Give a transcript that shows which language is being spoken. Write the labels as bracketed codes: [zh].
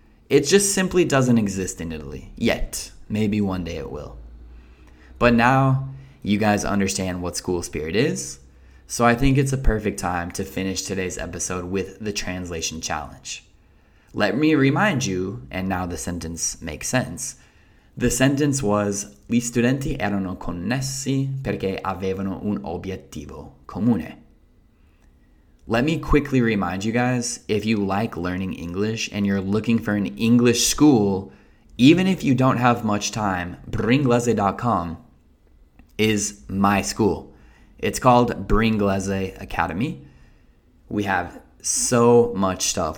[en] It just simply doesn't exist in Italy yet. Maybe one day it will. But now you guys understand what school spirit is. So I think it's a perfect time to finish today's episode with the translation challenge. Let me remind you, and now the sentence makes sense. The sentence was, [it] "Gli studenti erano connessi perché avevano un obiettivo comune." [en] Let me quickly remind you guys, if you like learning English and you're looking for an English school, even if you don't have much time, bringlese.com is my school. It's called Bringlese Academy. We have so much stuff.